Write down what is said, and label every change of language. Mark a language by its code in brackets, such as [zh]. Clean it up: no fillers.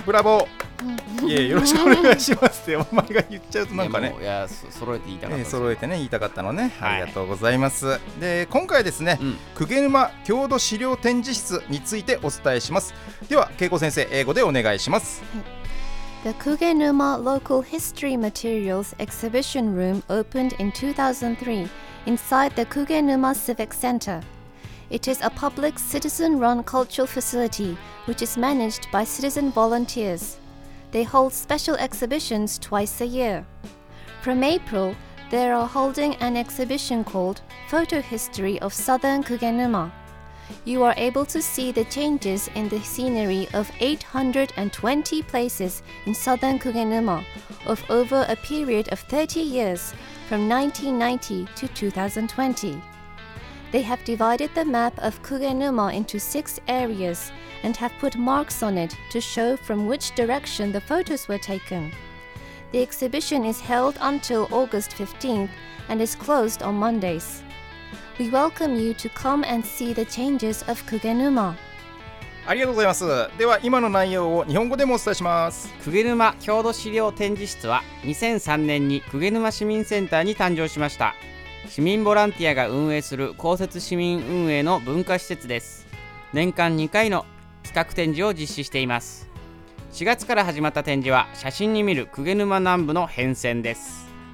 [ja] ブラボーよろしくお願いしますってお前が言っちゃうとなんかね、いや揃えて言いたかった、揃えてね言いたかったのね、はい、ありがとうございます。で今回ですね、うん、鵠沼郷土資料展示室についてお伝えします。では恵子先生、英語でお願いします。 [en] The 鵠沼 Local History Materials Exhibition Room opened in 2003 inside the 鵠沼 Civic Center. It is a public citizen-run cultural facility which is managed by citizen volunteers. They hold special exhibitions twice a year. From April, they are holding an exhibition called Photo History of Southern 鵠沼. You are able to see the changes in the scenery of 820 places in Southern 鵠沼 of over a period of 30 years from 1990 to 2020. They have divided the map of 鵠沼 into six areasand have put marks on it to show from which direction the photos were taken. The exhibition is held until August 15th and is closed on Mondays. We welcome you to come and see the changes of 鵠沼. [ja] ありがとうございます。では今の内容を日本語でもお伝えします。鵠沼郷土資料展示室は2003年に鵠沼市民センターに誕生しました。市民ボランティアが運営する公設市民運営の文化施設です。年間2回の企画展示を実施しています。4月から始まった展示は写真に見る鵠沼南部の変遷です。